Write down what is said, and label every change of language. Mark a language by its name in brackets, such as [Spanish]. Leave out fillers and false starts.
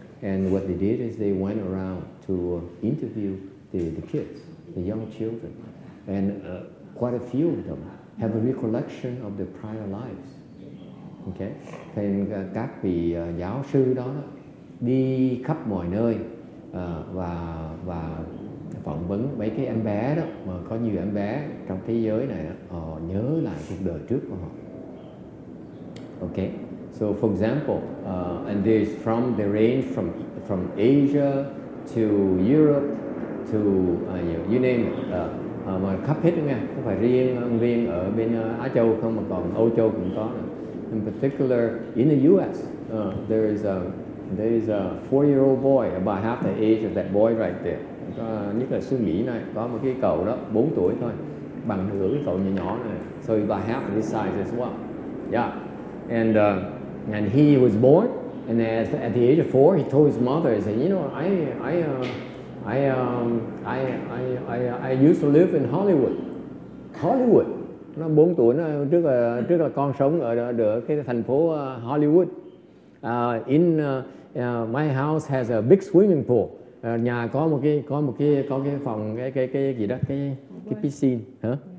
[English] And what they did is they went around to interview the kids, the young children, and quite a few of them have a recollection of their prior lives. [Vietnamese] Okay, thì các vị giáo sư đó đi khắp mọi nơi và phỏng vấn mấy cái em bé đó, mà có nhiều em bé trong thế giới này họ nhớ lại cuộc đời trước của họ. [English] Okay, so for example, and this from the range from Asia to Europe to you name it, [Vietnamese] mà khắp hết nha, không phải riêng ở bên Á Châu không, mà còn Âu Châu cũng có. [English] In particular, in the U.S., there is a four-year-old boy about half the age of that boy right there. [Vietnamese] Nhất là xứ Mỹ này có một cái cậu đó 4 tuổi thôi, bằng nửa cái cậu nhỏ này. [English] So about half this size as well. Yeah, and he was born, and at the age of 4, he told his mother, he said, you know, I used to live in Hollywood. Hollywood. [Vietnamese] Nó 4 tuổi, nó trước là con sống ở cái thành phố Hollywood. [English] My house has a big swimming pool. [Vietnamese] Nhà có một cái phòng cái gì đó, cái piscine, hả?